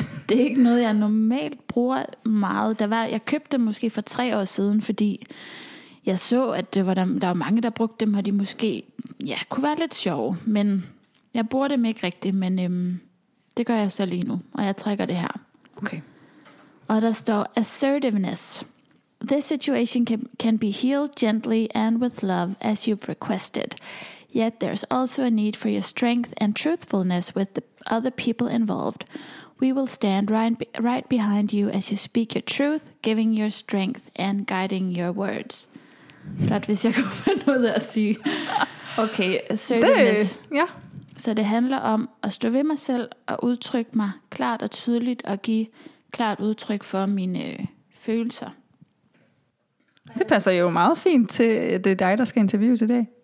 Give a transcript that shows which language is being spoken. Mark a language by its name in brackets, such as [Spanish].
[Danish] Det er ikke noget, jeg normalt bruger meget. Jeg købte dem måske for 3 år siden, fordi jeg så, at der var mange, der brugte dem, og de måske kunne være lidt sjove. Men jeg bruger dem ikke rigtigt, men det gør jeg så lige nu, og jeg trækker det her. Okay. Og der står assertiveness. [English] This situation can be healed gently and with love as you've requested. Yet there's also a need for your strength and truthfulness with the other people involved. We will stand right behind you as you speak your truth, giving your strength and guiding your words. [Danish] Blot hvis jeg kunne finde noget at sige. Okay, assertiveness. Så det handler om at stå ved mig selv og udtrykke mig klart og tydeligt og give klart udtryk for mine følelser. Det passer jo meget fint til det dig, der skal interviewe i dag.